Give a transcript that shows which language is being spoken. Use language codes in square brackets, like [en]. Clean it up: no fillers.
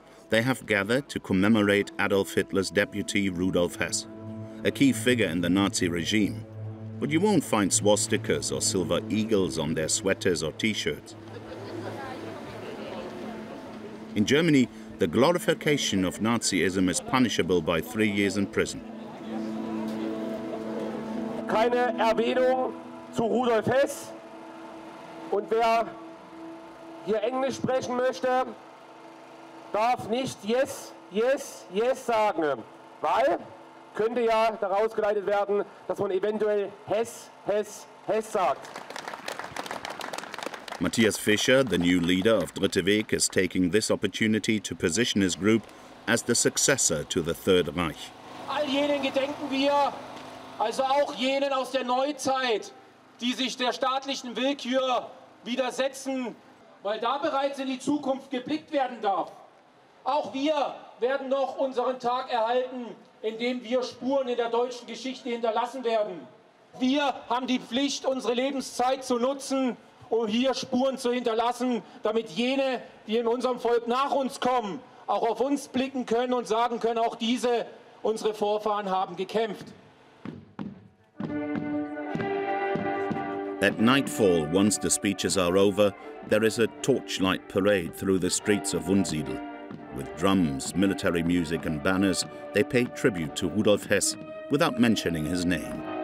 [en] They have gathered to commemorate Adolf Hitler's deputy Rudolf Hess, a key figure in the Nazi regime. But you won't find swastikas or silver eagles on their sweaters or t-shirts. In Germany, the glorification of Nazism is punishable by 3 years in prison. [de] Keine Erwähnung zu Rudolf Hess. Und wer hier Englisch sprechen möchte, darf nicht [en] yes, yes, yes [de] sagen. Weil könnte ja daraus geleitet werden, dass man eventuell Hess, Hess, Hess sagt. [en] Matthias Fischer, the new leader of Dritte Weg, is taking this opportunity to position his group as the successor to the Third Reich. [de] All jenen gedenken wir, also auch jenen aus der Neuzeit, die sich der staatlichen Willkür widersetzen, weil da bereits in die Zukunft geblickt werden darf. Auch wir werden noch unseren Tag erhalten, indem wir Spuren in der deutschen Geschichte hinterlassen werden. Wir haben die Pflicht, unsere Lebenszeit zu nutzen, um hier Spuren zu hinterlassen, damit jene, die in unserem Volk nach uns kommen, auch auf uns blicken können und sagen können, auch diese, unsere Vorfahren, haben gekämpft. [en] At nightfall, once the speeches are over, there is a torchlight parade through the streets of Wunsiedel. With drums, military music and banners, they pay tribute to Rudolf Hess without mentioning his name.